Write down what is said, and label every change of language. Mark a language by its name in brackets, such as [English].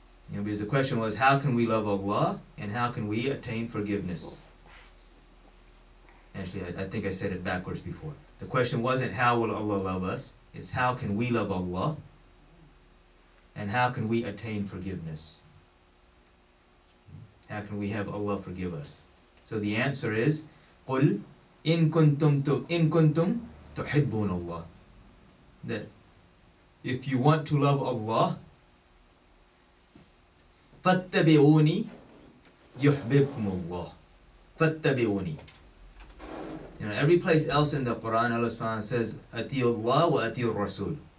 [English] You know, because the question was, how can we love Allah and how can we attain forgiveness? Actually, I think I said it backwards before. The question wasn't how will Allah love us, it's how can we love Allah and how can we attain forgiveness? How can we have Allah forgive us? So the answer is, [Arabic] قُلْ إِن كُنْتُمْ تُحِبُّونَ اللَّهِ. [English] That if you want to love Allah, [Arabic] فَاتَّبِعُونِي يُحْبِبْكُمُ اللَّهِ فَاتَّبِعُونِي. [English] You know, every place else in the Quran, Allah subhanahu wa ta'ala says, [Arabic] أَتِيُوا اللَّهِ وَأَتِيُوا الرَّسُولِ.